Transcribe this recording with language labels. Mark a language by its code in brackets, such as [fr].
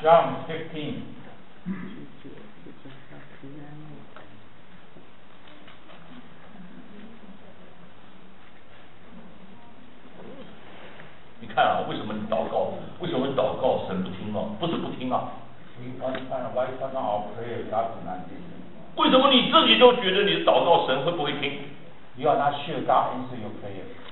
[en] John 15 [zh] 你看啊为什么你祷告为什么你祷告神不听啊不是不听啊 [en] We want to find why some of our prayer God does not listen. [zh] 为什么你自己都觉得你祷告神会不会听 [en] You are not sure God answers your prayer.